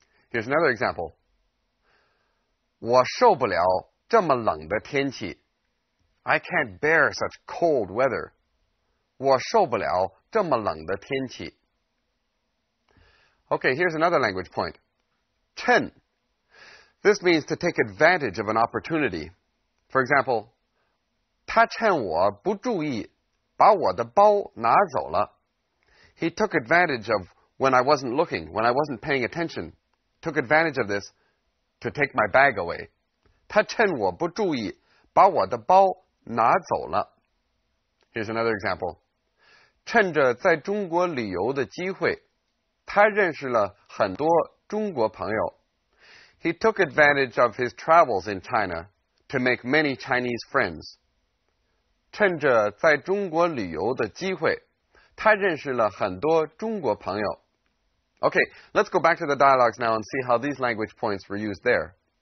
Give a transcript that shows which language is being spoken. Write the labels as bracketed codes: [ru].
[zh] Here's another example. 我受不了这么冷的天气。 [en] I can't bear such cold weather. [zh] 我受不了这么冷的天气。 [en] Okay, here's another language point. Ten. This means to take advantage of an opportunity. For example, [zh] 他趁我不注意把我的包拿走了。 [en] He took advantage of when I wasn't looking, when I wasn't paying attention. Took advantage of this to take my bag away. [zh] 他趁我不注意把我的包拿走了。 [en] Here's another example. [zh] 趁着在中国旅游的机会他认识了很多中国朋友。 [en] He took advantage of his travels in China to make many Chinese friends. [zh] 趁着在中国旅游的机会他认识了很多中国朋友。 [en] Okay, let's go back to the dialogues now and see how these language points were used there.